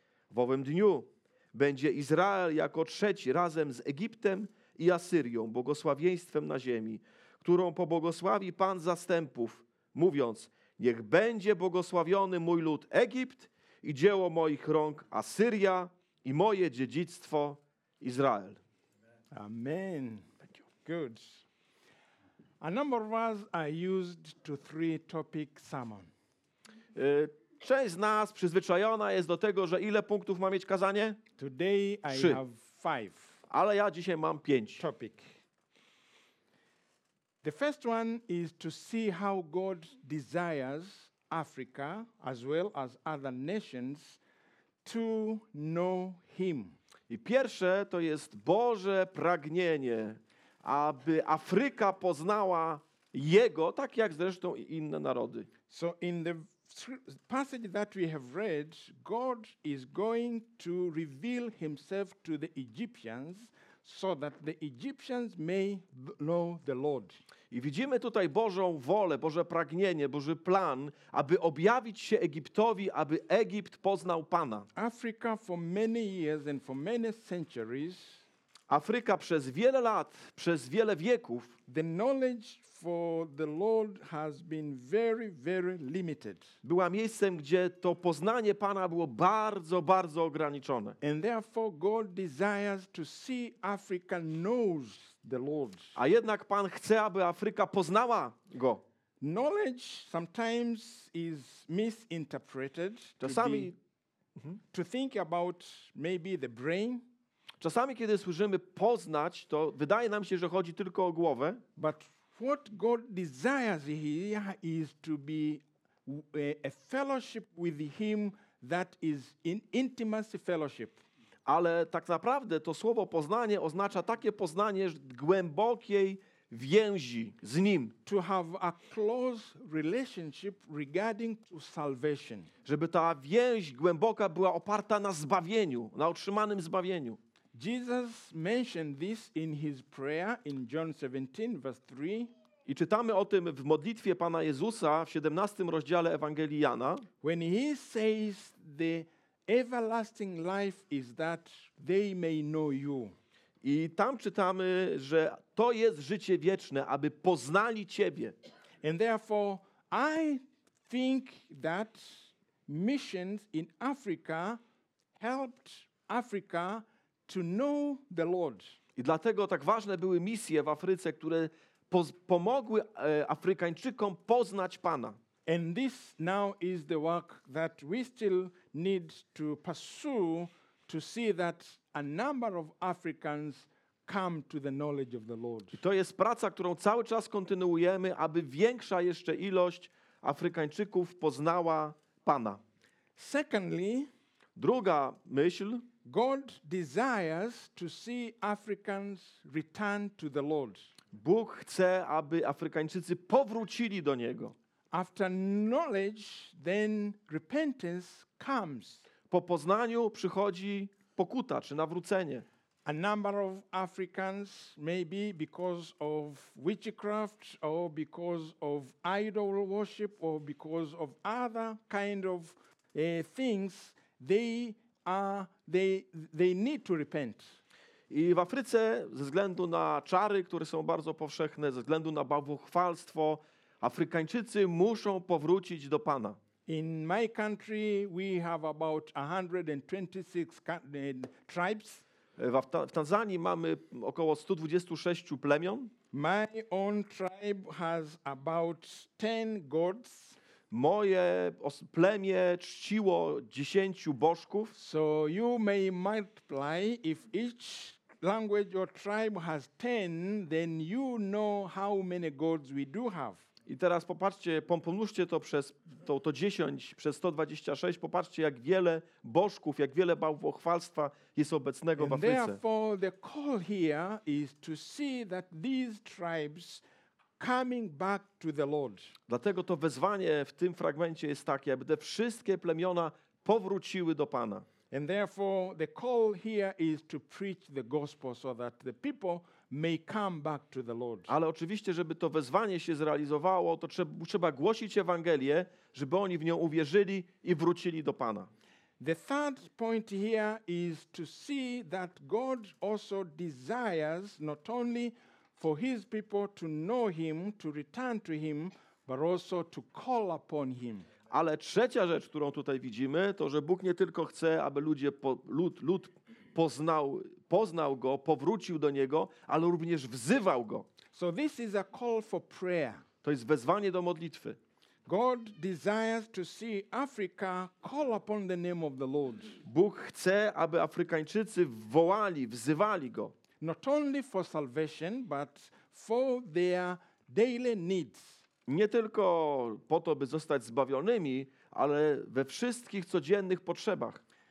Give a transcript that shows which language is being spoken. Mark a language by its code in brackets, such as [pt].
[pl] W owym dniu będzie Izrael jako trzeci razem z Egiptem i Asyrią, błogosławieństwem na ziemi, którą pobłogosławi Pan zastępów, mówiąc: niech będzie błogosławiony mój lud Egipt i dzieło moich rąk Asyria i moje dziedzictwo Izrael. [en] Amen. Thank you. Good. A number of us are used to three topic sermon. [pl] Część z nas przyzwyczajona jest do tego, że ile punktów ma mieć kazanie? [en] Today I [pl] Trzy. [en] Have five. [pl] Ale ja dzisiaj mam pięć. [en] Topic. The first one is to see how God desires Africa as well as other nations to know him. [pl] I pierwsze to jest Boże pragnienie, aby Afryka poznała Jego, tak jak zresztą i inne narody. [en] So in the passage that we have read, God is going to reveal himself to the Egyptians so that the Egyptians may know the Lord. [pl] I widzimy tutaj Bożą wolę, Boże pragnienie, Boży plan, aby objawić się Egiptowi, aby Egipt poznał Pana. [en] Africa for many years and for many centuries. [pl] Afryka przez wiele lat, przez wiele wieków. [en] The knowledge for the Lord has been very, very limited. [pl] Była miejscem, gdzie to poznanie Pana było bardzo, bardzo ograniczone. [en] And therefore God desires to see Africa knows the Lord. [pl] A jednak Pan chce, aby Afryka poznała Go. [en] Knowledge sometimes is misinterpreted. [pl] Czasami [en] to think about maybe the brain. [pl] Czasami, kiedy słyszymy poznać, to wydaje nam się, że chodzi tylko o głowę. [en] But what God desires here is to be a fellowship with him that is in intimacy fellowship. [pl] Ale tak naprawdę to słowo poznanie oznacza takie poznanie głębokiej więzi z Nim. [en] To have a close relationship regarding to salvation. [pl] Żeby ta więź głęboka była oparta na zbawieniu, na otrzymanym zbawieniu. [en] Jesus mentioned this in his prayer in John 17, verse 3. [pl] I czytamy o tym w modlitwie Pana Jezusa w 17 rozdziale Ewangelii Jana. [en] When he says the everlasting life is that they may know you. [pl] I tam czytamy, że to jest życie wieczne, aby poznali Ciebie. [en] And therefore I think that missions in Africa helped Africa to know the Lord. [pl] I dlatego tak ważne były misje w Afryce, które pomogły Afrykańczykom poznać Pana. [en] And this now is the work that we still need to pursue to see that a number of Africans come to the knowledge of the Lord. [pl] I to jest praca, którą cały czas kontynuujemy, aby większa jeszcze ilość Afrykańczyków poznała Pana. [en] Secondly, [pl] druga myśl, [en] God desires to see Africans return to the Lord. [pl] Bóg chce, aby Afrykańczycy powrócili do Niego. [en] After knowledge, then repentance comes. [pl] Po poznaniu przychodzi pokuta czy nawrócenie. [en] A number of Africans, maybe because of witchcraft or because of idol worship or because of other kind of things, they need to repent. [pl] I w Afryce ze względu na czary, które są bardzo powszechne, ze względu na bałwochwalstwo, Afrykańczycy muszą powrócić do Pana. [en] In my country we have about 126 tribes. [pl] W Tanzanii mamy około 126 plemion. [en] My own tribe has about 10 gods. [pl] Moje plemię czciło 10 bożków. [en] So you may multiply if each language or tribe has 10, then you know how many gods we do have. [pl] I teraz popatrzcie, pomnóżcie to przez to 10, przez 126, popatrzcie, jak wiele bożków, jak wiele bałwochwalstwa jest obecnego w Afryce. [en] And therefore the call here is to see that these tribes coming back to the Lord. [pl] Dlatego to wezwanie w tym fragmencie jest takie, aby te wszystkie plemiona powróciły do Pana. [en] And therefore the call here is to preach the gospel so that the people may come back to the Lord. [pl] Ale oczywiście, żeby to wezwanie się zrealizowało, to trzeba głosić Ewangelię, żeby oni w nią uwierzyli i wrócili do Pana. [en] The third point here is to see that God also desires not only for his people to know him, to return to him, but also to call upon him. [pl] Ale trzecia rzecz, którą tutaj widzimy, to że Bóg nie tylko chce, aby lud poznał go, powrócił do niego, ale również wzywał go. [en] So this is a call for prayer. [pl] To jest wezwanie do modlitwy. [en] God desires to see Africa call upon the name of the Lord. [pl] Bóg chce, aby Afrykańczycy wołali, wzywali go. [en] Not only for salvation, but for their daily needs. [pl] Nie tylko po to, by zostać zbawionymi, ale we wszystkich codziennych potrzebach.